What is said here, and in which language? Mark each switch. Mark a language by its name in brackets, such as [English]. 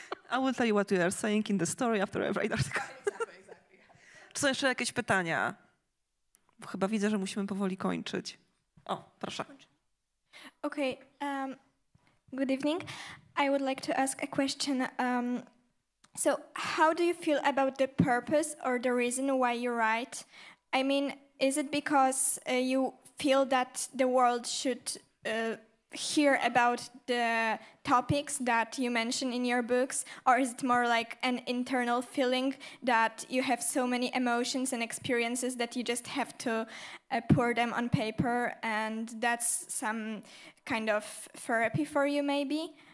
[English] I will tell you what you are saying in the story after I write the article. [Polish] Czy są jeszcze jakieś pytania? Chyba widzę, że musimy powoli kończyć. O, proszę. [English] Okay, good evening. I would like to ask a question. So how do you feel about the purpose or the reason why you write? I mean, is it because you feel that the world should hear about the topics that you mention in your books, or is it more like an internal feeling that you have so many emotions and experiences that you just have to pour them on paper, and that's some kind of therapy for you maybe?